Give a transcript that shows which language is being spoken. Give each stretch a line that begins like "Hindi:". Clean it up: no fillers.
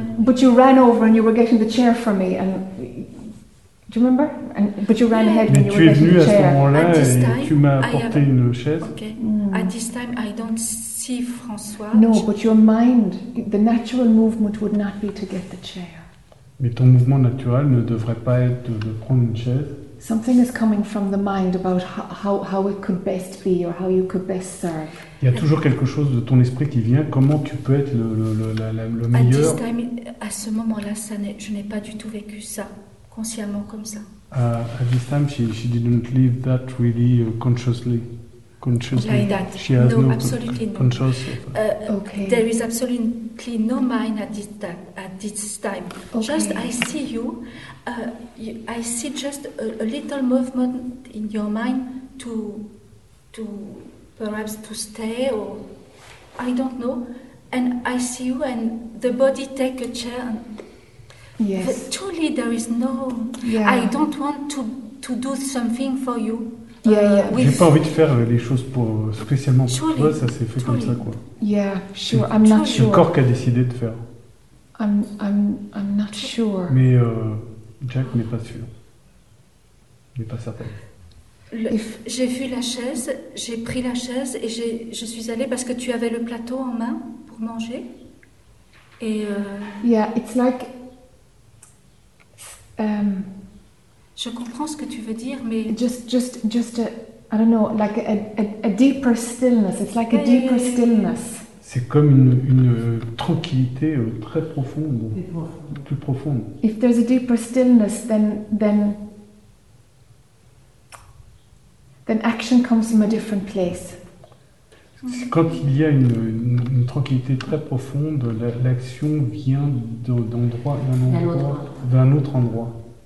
English: But you ran over and you were getting the chair for me and do you remember? But you ran ahead when you were getting the chair.
French: Mais tu es venu à ce moment-là et tu m'as apporté une chaise.
English: Okay. At this time, I don't see François. No, but your mind, the natural movement would not be to get the chair.
French: Mais ton mouvement naturel ne devrait pas être de prendre une chaise.
English: Something is coming from the mind about how it could best be or how you could best serve.
French: Il y a toujours quelque chose de ton esprit qui vient. Comment tu peux être le meilleur?
English: At this time,
French: à ce moment-là, je n'ai pas du tout vécu ça consciemment comme ça.
English: At this time, she didn't live that really consciously. Like that? She has no, absolutely not. Conscious. Okay. There is absolutely no mind at this time. Okay. Just I see you. I see just a little movement in your mind to perhaps to stay or I don't know. And I see you and the body take a chair. And yes. Truly, there is no. Yeah. I don't want to do something for you. Yeah, yeah.
French: J'ai pas envie de faire les choses spécialement pour
English: truly,
French: toi. Ça s'est fait
English: truly.
French: Comme ça, quoi.
English: Yeah, sure. I'm not sure.
French: Le corps qui a décidé de faire.
English: I'm not sure.
French: Mais Jack n'est pas sûr, n'est pas certain. J'ai vu la chaise, j'ai pris la chaise et je suis allée parce que tu avais le plateau en main pour manger. Et
English: yeah, it's like.
French: Je comprends ce que tu veux dire, mais
English: just a, I don't know, like a deeper stillness. It's like a deeper stillness.
French: C'est comme une tranquillité très profonde, plus profonde.
English: If there's a deeper stillness, then action comes from a different place.
French: Quand il y a une tranquillité très profonde, l'action vient d'un autre endroit.